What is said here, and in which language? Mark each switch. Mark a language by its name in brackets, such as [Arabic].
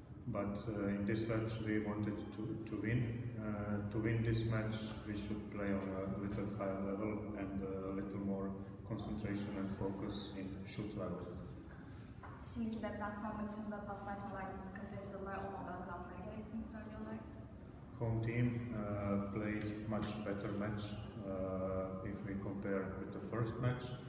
[English] But in this match, we wanted to win. To win this match, we should play on a little higher level and a little more concentration and focus in shoot level. [Turkish] Şimdiki deplasman maçında paslaşmalarda sıkıntı yaşadılar, ona odaklanmaları gerektiğini söylüyorlar. [English] Home team played much better match if we compare with the first match.